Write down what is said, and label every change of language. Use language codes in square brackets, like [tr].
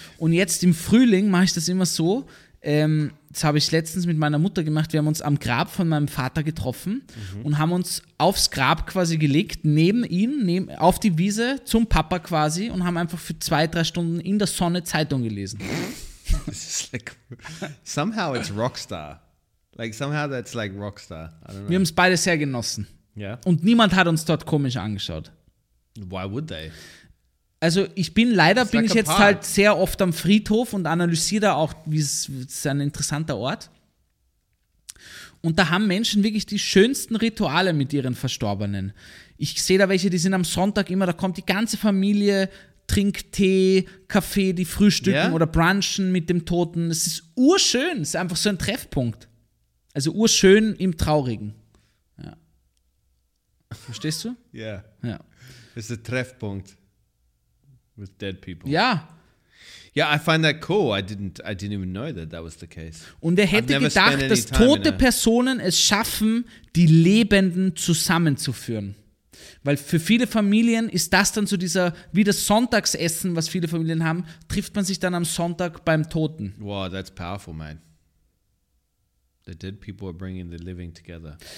[de] Und jetzt im Frühling mache ich das immer so, das habe ich letztens mit meiner Mutter gemacht, wir haben uns am Grab von meinem Vater getroffen und haben uns aufs Grab quasi gelegt, neben ihn, auf die Wiese, zum Papa quasi und haben einfach für 2-3 Stunden in der Sonne Zeitung gelesen. [en] It's like, somehow it's Rockstar. Like somehow that's like Rockstar. I don't know. [de] Wir haben es beide sehr genossen. [en] Yeah. [de] Und niemand hat uns dort komisch angeschaut. [en] Why would they? [de] Also ich bin leider, it's bin like ich jetzt halt sehr oft am Friedhof und analysiere da auch, wie es ein interessanter Ort. Und da haben Menschen wirklich die schönsten Rituale mit ihren Verstorbenen. Ich sehe da welche, die sind am Sonntag immer, da kommt die ganze Familie, trinkt Tee, Kaffee, die frühstücken oder brunchen mit dem Toten. Es ist urschön, es ist einfach so ein Treffpunkt. Also urschön im Traurigen. Ja. Verstehst du? [en] Yeah. [de] Ja. Es ist ein Treffpunkt. [en] With dead people. Yeah. Yeah, I find that cool. I didn't even know that that was the case. [de] Und hätte gedacht, dass tote Personen es schaffen, die Lebenden zusammenzuführen. Weil für viele Familien ist das dann so dieser, wie das Sonntagsessen, was viele Familien haben, trifft man sich dann am Sonntag beim Toten. [en] Wow, that's powerful, man. The dead people are bringing the living together.